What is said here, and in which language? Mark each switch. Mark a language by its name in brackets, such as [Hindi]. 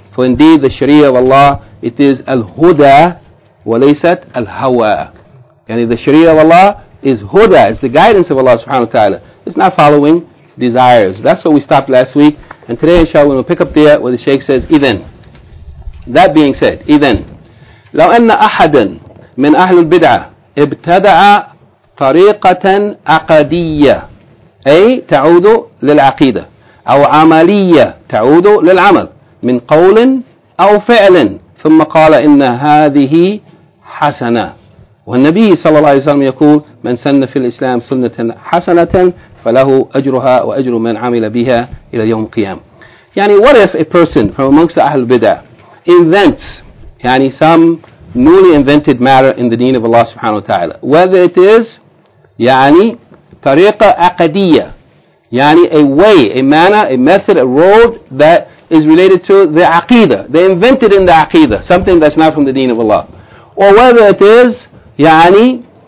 [English] For indeed the Sharia of Allah, it is al-huda wa laysat al-hawa. And the Sharia of Allah is huda, it's the guidance of Allah subhanahu wa ta'ala. It's not following desires. That's what we stopped last week. And today, inshallah, we'll pick up there where the Shaykh says, إذن. That being said, إذن. [Arabic] لو أن أحدا من أهل البدعة ابتدع طريقة عقدية أي تعود للعقيدة أو عملية تعود للعمل من قول أو فعل ثم قال إن هذه حسنة. والنبي صلى الله عليه وسلم يقول من سن في الإسلام سنة حسنة فله أجرها وأجر من عمل بها إلى يوم القيامة. [English] يعني what if a person from amongst the أهل البدع invents يعني some newly invented matter in the deen of Allah سبحانه وتعالى, whether it is يعني طريقة عقدية, يعني a way, a manner, a method, a road that is related to the عقيدة, they invented in the عقيدة something that's not from the deen of Allah, or whether it is يعني